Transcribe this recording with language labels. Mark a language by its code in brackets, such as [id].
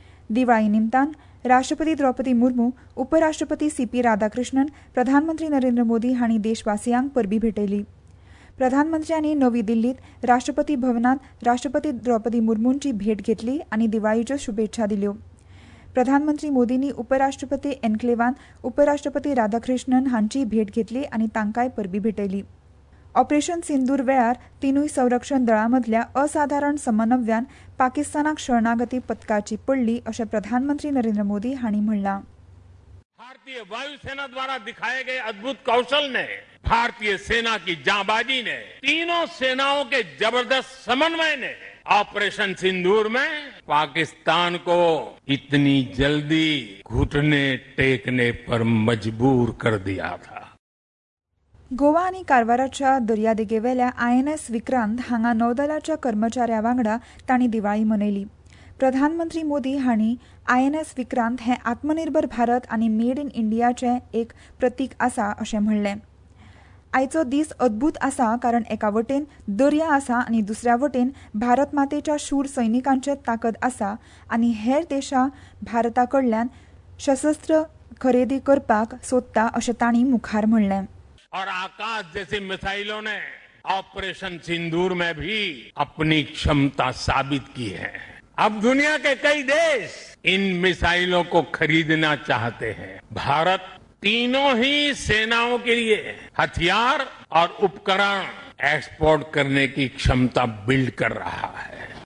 [gom] दिवाळी निमतान राष्ट्रपती द्रौपदी मुर्मू, उपराष्ट्रपती CP राधाकृष्णन, प्रधानमंत्री नरेंद्र मोदी हांणी देशवासियांक परबी भेटयली. प्रधानमंत्र्यांनी नवी दिल्लीत राष्ट्रपती भवनांत राष्ट्रपती द्रौपदी मुर्मूंची भेट घेतली आनी दिवाळीच्यो शुभेच्छा दिल्यो. प्रधानमंत्री मोदींनी उपराष्ट्रपती एन्क्लेवांत उपराष्ट्रपती राधाकृष्णन हांची भेट घेतली आनी तांकांय परबी भेटयली. ऑपरेशन सिंदूर वेळार तिनूय संरक्षण दळांमदल्या असाधारण समन्वयान पाकिस्तानाक शरणागती पत्कारची पडली अशें प्रधानमंत्री नरेंद्र मोदी हांणी म्हणला. [hi] भारतीय वायुसेना द्वारा दिखाए गए अद्भुत कौशल ने, भारतीय सेना की जांबाजी ने, तीनों सेनाओं के जबरदस्त समन्वय ने ऑपरेशन सिंदूर में पाकिस्तान को इतनी जल्दी घुटने टेकने पर मजबूर कर दिया था. [gom] गोवा आनी कारवाराच्या दर्यादेगेवेल्या INS विक्रांत हांगा नौदलाच्या कर्मचाऱ्या वांगडा तांणी दिवाळी मनयली. प्रधानमंत्री मोदी हांणी INS विक्रांत हे आत्मनिर्भर भारत आनी मेड इन इंडियाचे एक प्रतीक आसा अशें म्हणलें. आयचो दीस अद्भूत आसा कारण एका वटेन दर्या आसा आनी दुसऱ्या वटेन भारत मातेच्या शूर सैनिकांचे ताकद आसा आनी हेर देशां भारताकडल्यान सशस्त्र खरेदी करपाक सोदता अशें तांणी मुखार म्हणलें. [hi] और आकाश जैसी मिसाइलों ने ऑपरेशन सिंदूर में भी अपनी क्षमता साबित की है. अब दुनिया के कई देश इन मिसाइलों को खरीदना चाहते हैं. भारत तीनों ही सेनाओं के लिए हथियार और उपकरण एक्सपोर्ट करने की क्षमता बिल्ड कर रहा है.